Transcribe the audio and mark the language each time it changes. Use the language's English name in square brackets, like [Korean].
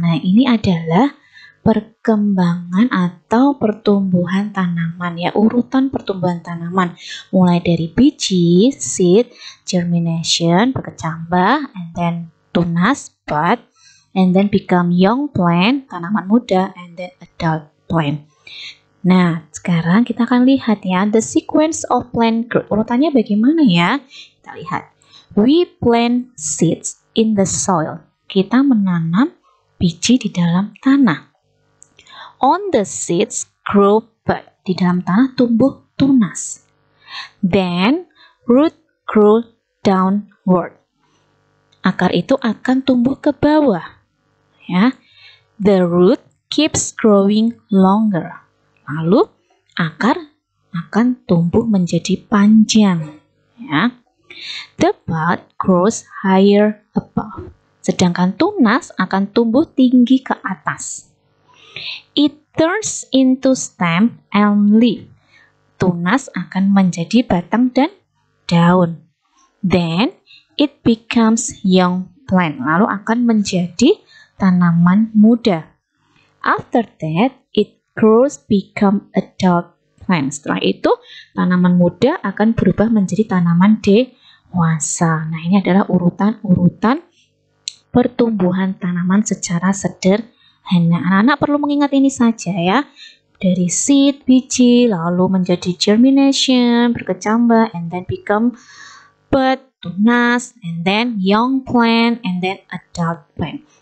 [Indonesian] Nah, ini adalah perkembangan atau pertumbuhan tanaman, ya, urutan pertumbuhan tanaman, mulai dari biji, seed, germination, berkecambah, and then tunas, bud, [English] and then become young plant, [Indonesian] tanaman muda, [English] and then adult plant. [Indonesian] Nah, sekarang kita akan lihat, ya, [English] the sequence of plant growth. [Indonesian] Urutannya bagaimana, ya? Kita lihat. [English] We plant seeds in the soil. [Indonesian] Kita menanam biji di dalam tanah. [English] On the seeds grow bud. [Indonesian] Di dalam tanah tumbuh tunas. [English] Then root grow downward. [Indonesian] Akar itu akan tumbuh ke bawah. Ya. [English] The root keeps growing longer. [Indonesian] Lalu akar akan tumbuh menjadi panjang. Ya. [English] The bud grows higher above. [Indonesian] Sedangkan tunas akan tumbuh tinggi ke atas. [English] It turns into stem and leaf. [Indonesian] Tunas akan menjadi batang dan daun. [English] Then it becomes young plant. [Indonesian] Lalu akan menjadi tanaman muda. [English] After that, it grows become adult plant. [Indonesian] Setelah itu, tanaman muda akan berubah menjadi tanaman dewasa. Nah, ini adalah urutan-urutan pertumbuhan tanaman secara sederhana. Nah, anak-anak perlu mengingat ini saja, ya, dari seed, biji, lalu menjadi germination, berkecambah, [English] and then become bud, [Indonesian] tunas, [English] and then young plant, and then adult plant.